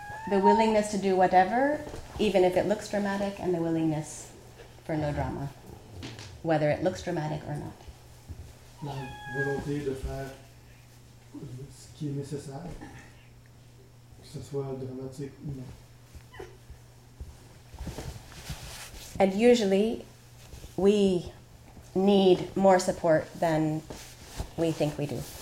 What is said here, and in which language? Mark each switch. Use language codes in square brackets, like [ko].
[en] The willingness to do whatever, even if it looks dramatic, and the willingness for no drama, whether it looks dramatic or not. [fr] La volonté de faire ce qui est nécessaire, que ce soit dramatique ou non. [en] And usually we need more support than we think we do.